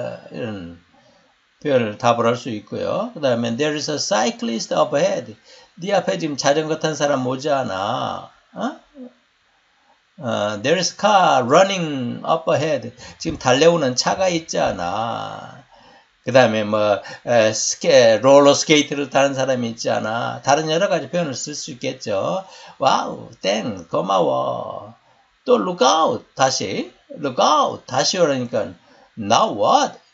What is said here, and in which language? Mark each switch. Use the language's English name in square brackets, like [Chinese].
[Korean] 이런 표현을 답을 할수 있고요. 그 다음에 [English] there is a cyclist up ahead. [Korean] 네 앞에 지금 자전거 탄 사람 오지 않아? [English] there is a car running up ahead. [Korean] 지금 달려오는 차가 있잖아. 그 다음에 뭐 롤러 스케이트를 타는 사람이 있잖아. 다른 여러 가지 표현을 쓸수 있겠죠. 와우, 땡, 고마워. 또 [English] look out, 다시 look out, [Korean] 다시 오라니까 [English] now what?